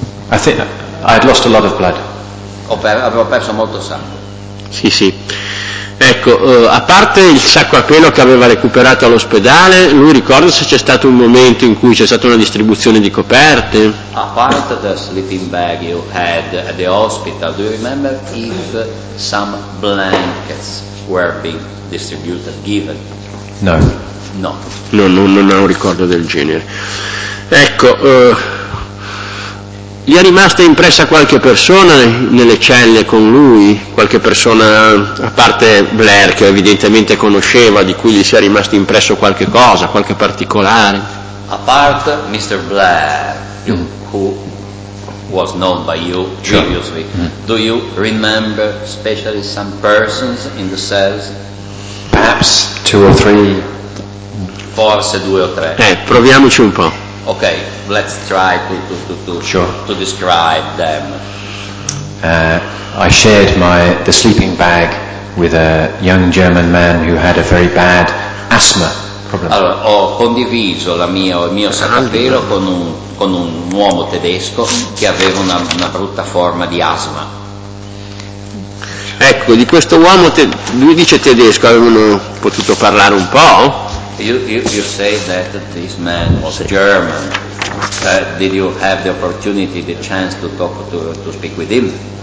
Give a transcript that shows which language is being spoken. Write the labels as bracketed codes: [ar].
[en] I think I had lost a lot of blood. [it] Avevo perso molto sangue. Sì, sì. Ecco, a parte il sacco a pelo che aveva recuperato all'ospedale, lui ricorda se c'è stato un momento in cui c'è stata una distribuzione di coperte? A parte [en] the sleeping bag you had at the hospital, do you remember if some blankets were being distributed, given? No. [it] No. No, non, non ho un ricordo del genere. Ecco, gli è rimasta impressa qualche persona nelle celle con lui? Qualche persona, a parte Blair, che evidentemente conosceva, di cui gli si è rimasto impresso qualche cosa, qualche particolare? A parte Mr. [en] Blair, who was known by you previously, sure. Do you remember especially some persons in the cells? Perhaps two or three. [it] Forse due o tre. Proviamoci un po'. [en] Okay, let's try to describe them. I shared the sleeping bag with a young German man who had a very bad asthma problem. [it] Allora, ho condiviso il mio sacchettino con un uomo tedesco che aveva una brutta forma di asma. Ecco, di questo uomo lui dice tedesco, avevano potuto parlare un po'? [en] You say that this man was German. Did you have the opportunity, the chance to talk to speak with him?